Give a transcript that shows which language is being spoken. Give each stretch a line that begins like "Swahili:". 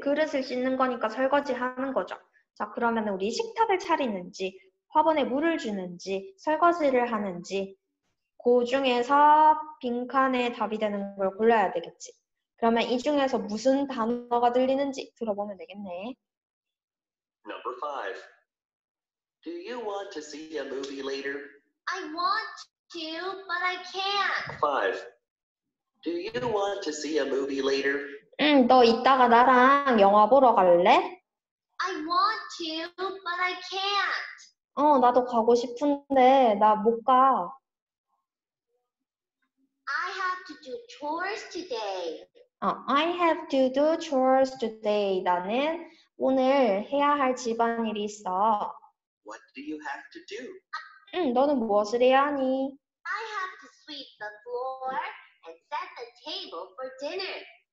Korean: 그릇을 씻는 거니까 설거지 하는 거죠. 자, 그러면 우리 식탁을 차리는지, 화분에 물을 주는지, 설거지를 하는지, 그 중에서 빈칸에 답이 되는 걸 골라야 되겠지. 그러면 이 중에서 무슨 단어가 들리는지 들어보면 되겠네.
English: Number 5. Do you want to see a movie later? I want to, but I can't. 5. Do you want to see a movie later?
Korean: 응, 너 이따가 나랑 영화 보러 갈래?
English: I want to, but I can't.
Korean: 어, 나도 가고 싶은데 나 못 가.
English: I have to do chores today. I have to do chores today.
Korean: 나는 오늘 해야 할 집안일이 있어.
English: What do you have to do?
Korean: 응, 너는 무엇을 해야 하니?
English: I have to sweep the floor and set the table for dinner.